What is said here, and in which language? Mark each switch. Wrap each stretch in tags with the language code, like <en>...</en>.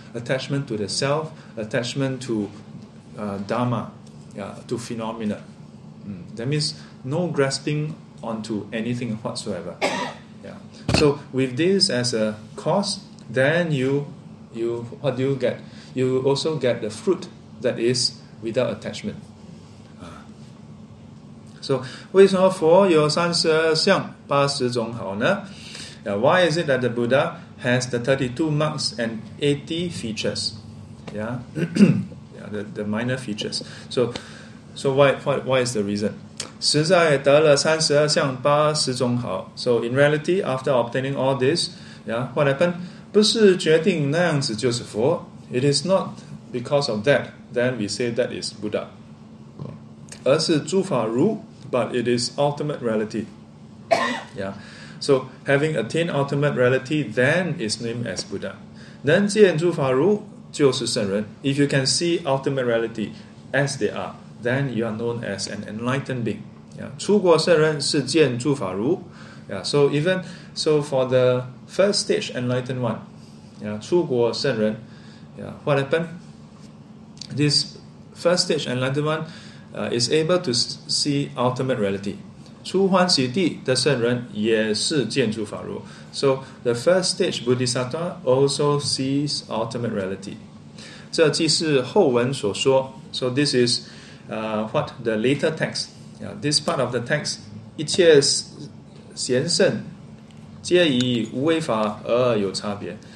<en>Attachment to the self, attachment to Dharma, yeah, to phenomena. Mm. That means no grasping onto anything whatsoever. Yeah. So with this as a cause, then you what do you get? You also get the fruit that is without attachment.</en> <zh>So, 为什么佛有三十二相八十种好呢?</zh> <en>Now, why is it that the Buddha has the 32 marks and 80 features? Yeah, yeah the minor features. So why is the reason?</en> <zh>实在得了三十二相八十种好</zh> <en>So, in reality, after obtaining all this, yeah, what happened?</en> <zh>不是决定那样子就是佛</zh> <en>It is not because of that. Then we say that is Buddha.</en> <zh>而是诸法如</zh> <en>but it is ultimate reality. Yeah. So, having attained ultimate reality, then is named as Buddha.</en> <zh>能见诸法如就是圣人</zh> <en>If you can see ultimate reality as they are, then you are known as an enlightened being.</en> <zh>Yeah. 出过圣人是见诸法如 Yeah.</zh> <en>So for the first stage enlightened one, yeah,</en> <zh>出过圣人</zh> <en>yeah, what happened? This first stage enlightenment is able to see ultimate reality.</en> <zh>出欢喜地的圣人也是见诸法如。</zh> <en>So the first stage Bodhisattva also sees ultimate reality.</en> <zh>这即是后文所说。</zh> <en>So this is what the later text. Yeah, this part of the text,</en> <zh>一切贤圣皆以无为法而有差别。</zh>